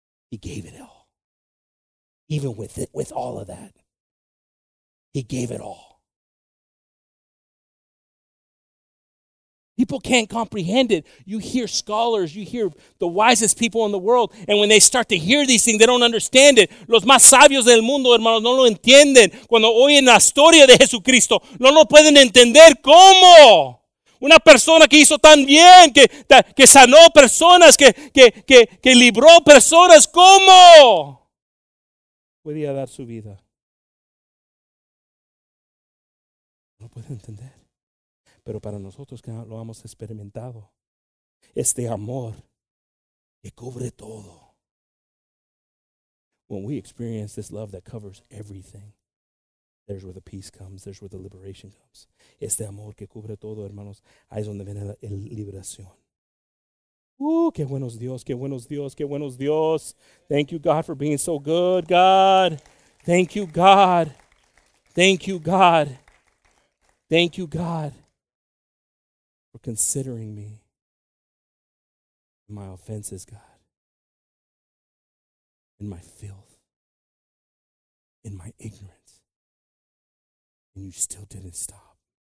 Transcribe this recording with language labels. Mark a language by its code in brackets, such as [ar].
[en] He gave it all. Even with it, with all of that, he gave it all. People can't comprehend it. You hear scholars, you hear the wisest people in the world, and when they start to hear these things, they don't understand it. [es] Los más sabios del mundo, hermanos, no lo entienden. Cuando oyen la historia de Jesucristo, no lo pueden entender. ¿Cómo? Una persona que hizo tan bien, que sanó personas, que libró personas. ¿Cómo? Podía dar su vida. No puede entender. Pero para nosotros que lo hemos experimentado, este amor que cubre todo. [en] When we experience this love that covers everything, there's where the peace comes, there's where the liberation comes. [es] Este amor que cubre todo, hermanos, ahí es donde viene la liberación. Qué buenos Dios, qué buenos Dios, qué buenos Dios. [en] Thank you, God, for being so good, God. Thank you, God. Thank you, God. Thank you, God. For considering me my offenses, God, in my filth, in my ignorance, and you still didn't stop.